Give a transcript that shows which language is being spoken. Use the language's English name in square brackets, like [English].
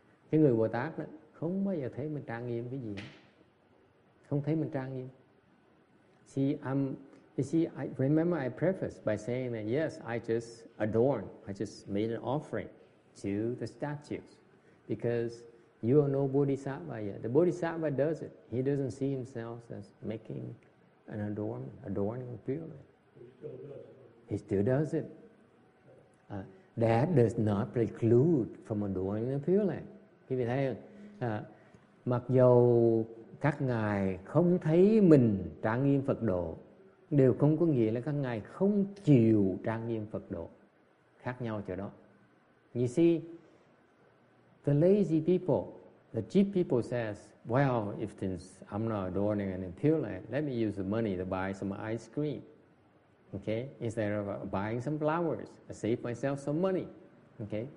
[Vietnamese] Cái người Bồ Tát đó không bao giờ thấy mình trang nghiêm cái gì, không thấy mình trang nghiêm. [English] I remember I preface by saying that yes, I just made an offering to the statues because you are no Bodhisattva yet. The Bodhisattva does it. He doesn't see himself as making an adorning the pure land. He still does it. That does not preclude from adoring the pure land. [Vietnamese] Quý vị thấy không? Mặc dù các ngài không thấy mình trang nghiêm Phật độ, đều không có nghĩa là các ngài không chịu trang nghiêm Phật độ. Khác nhau chỗ đó. [English] You see, the lazy people, the cheap people says, well, if I'm not adorning an impure land, let me use the money to buy some ice cream, okay? Instead of buying some flowers, I save myself some money, okay?